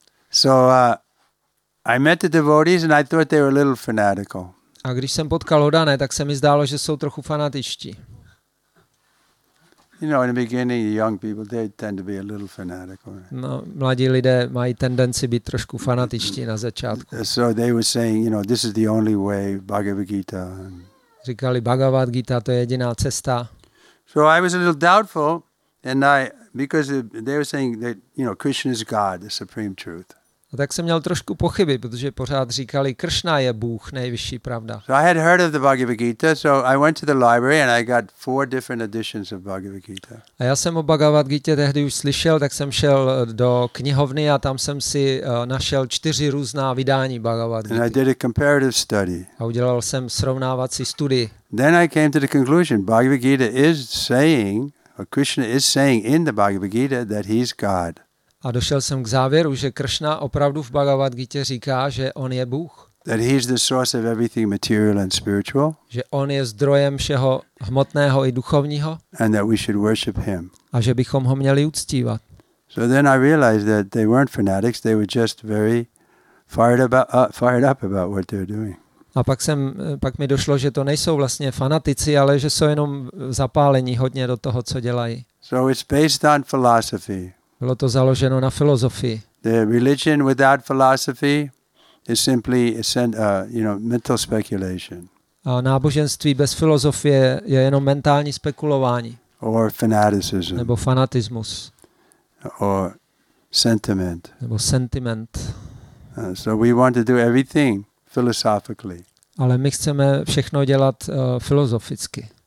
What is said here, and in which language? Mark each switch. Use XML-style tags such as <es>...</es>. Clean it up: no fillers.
<en>So I met the devotees and I thought they were a little fanatical.</en> <cs>A když jsem potkal hodané, tak se mi zdálo, že jsou trochu fanatičtí.</cs> <en>You know, in the beginning, young people, they tend to be a little fanatical.</en> <cs>No, mladí lidé mají tendenci být trošku fanatičtí na začátku.</cs> <en>So they were saying, you know, this is the only way, Bhagavad Gita.</en> <cs>Říkali, Bhagavad Gita, to je jediná cesta.</cs> <en>So I was a little doubtful, and because they were saying that, you know, Krishna is God, the supreme truth.</en> <cs>A tak jsem měl trošku pochyby, protože pořád říkali, Kršna je Bůh, nejvyšší pravda.</cs> <en>So I had heard of the Bhagavad Gita, so I went to the library and I got four different editions of Bhagavad Gita.</en> <cs>A já jsem o Bhagavad Gita tehdy už slyšel, tak jsem šel do knihovny a tam jsem si našel čtyři různá vydání Bhagavad Gita.</cs> <en>And I did a comparative study.</en> <cs>A udělal jsem srovnávací studii.</cs> <en>Then I came to the conclusion, Bhagavad Gita is saying, or Krishna is saying in the Bhagavad Gita that he's God.</en> <cs>A došel jsem k závěru, že Kršna opravdu v Bhagavad Gita říká, že on je Bůh.</cs> <en>That he is the source of everything material and spiritual.</en> <cs>Že on je zdrojem všeho hmotného i duchovního.</cs> <en>And that we should worship him.</en> <cs>A že bychom ho měli uctívat.</cs> <en>So then I realized that they weren't fanatics, they were just very fired up about what they're doing.</en> <cs>A pak mi došlo, že to nejsou vlastně fanatici, ale že jsou jenom zapálení hodně do toho, co dělají.</cs> <en>So it's based on philosophy.</en> <cs>Bylo to založeno na filozofii.</cs> <en>The religion without philosophy is simply mental speculation.</en> <cs>A náboženství bez filozofie je jenom mentální spekulování.</cs> <en>Or fanaticism.</en> <cs>Nebo fanatismus.</cs> <en>Or sentiment.</en> <cs>Nebo sentiment.</cs> <en>So we want to do everything philosophically.</en> <cs>Ale my chceme všechno dělat filozoficky.</cs>